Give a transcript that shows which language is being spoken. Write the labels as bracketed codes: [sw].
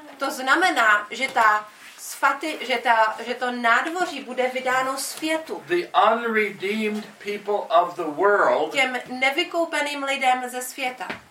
[cs] To znamená, že ta svaty, že to nádvoří bude vydáno světu. [en] The unredeemed people of the world, [cs] těm nevykoupeným lidem ze světa.